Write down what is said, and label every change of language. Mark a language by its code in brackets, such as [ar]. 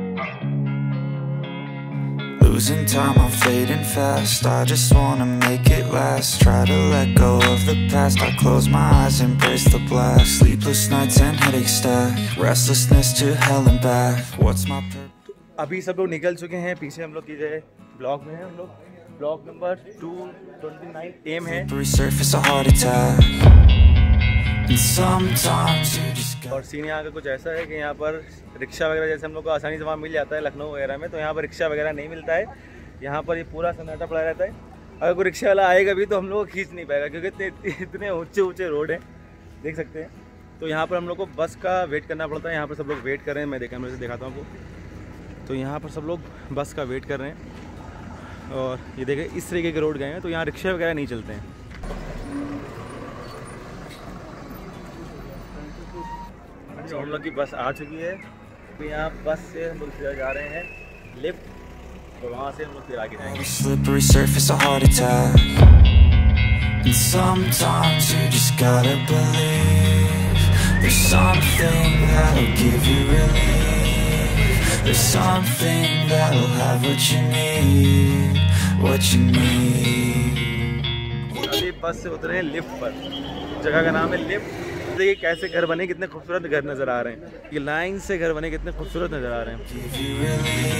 [en] Losing time, I'm fading fast I just wanna make it last Try to let go of the past I close my eyes, embrace the blast Sleepless nights and headache stack Restlessness to hell and back What's my purpose? [hi] अभी सब लोग निकल चुके हैं पीछे हम लोग की जो है ब्लॉग में हैं हम लोग ब्लॉग नंबर 229 एम है [en] Slippery surface, a heart attack Sometimes you just [hi] got... और सीन यहाँ का कुछ ऐसा है कि यहाँ पर रिक्शा वगैरह जैसे हम लोग को आसानी से वहाँ मिल जाता है लखनऊ वगैरह में तो यहाँ पर रिक्शा वगैरह नहीं मिलता है यहाँ पर ये पूरा सन्नाटा पड़ा रहता है। अगर कोई रिक्शा वाला आएगा भी तो हम लोग को खींच नहीं पाएगा क्योंकि इतने ऊँचे ऊँचे रोड हैं देख सकते हैं तो यहाँ पर हम लोग को बस का वेट करना पड़ता है। यहाँ पर सब लोग वेट कर रहे हैं मैं दिखाता हूँ आपको तो यहाँ पर सब लोग बस का वेट कर रहे हैं और ये देखें इस तरीके के रोड गए हैं तो यहाँ रिक्शा वगैरह नहीं चलते हैं। हम लोग की बस आ चुकी है तो यहाँ बस से हम लोग सीधा जा रहे हैं लिफ्ट तो वहाँ से हम लोग सीधा आगे जाएंगे। [en] Slippery surface, a heart attack. And sometimes you just gotta believe there's something that'll give you relief. There's something that'll have what you need. What you need. [hi] अभी बस से उतरे हैं लिफ्ट पर जगह का नाम है लिफ्ट। देखिए कैसे घर बने कितने खूबसूरत घर नजर आ रहे हैं ये लाइन से घर बने कितने खूबसूरत नजर आ रहे